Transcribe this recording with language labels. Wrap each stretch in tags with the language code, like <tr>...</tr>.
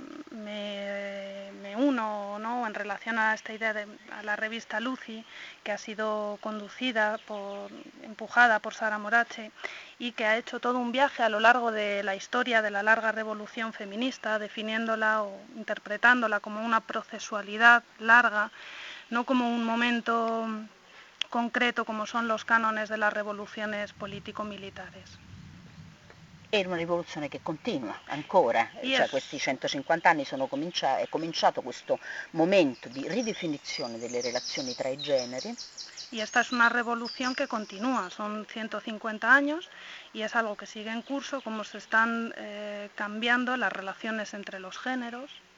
<es>Me uno, ¿no?, en relación a esta idea de a la revista Lucy, que ha sido conducida, empujada por Sara Morache y que ha hecho todo un viaje a lo largo de la historia de la larga revolución feminista, definiéndola o interpretándola como una procesualidad larga, no como un momento concreto como son los cánones de las revoluciones político-militares.</es> <it>Era una rivoluzione che continua ancora, cioè questi 150 anni è cominciato questo momento di ridefinizione delle relazioni tra i generi.</it> <es>Y esta es una revolución que continúa, son 150 años y es algo que sigue en curso, como se están cambiando las relaciones entre los géneros.</es>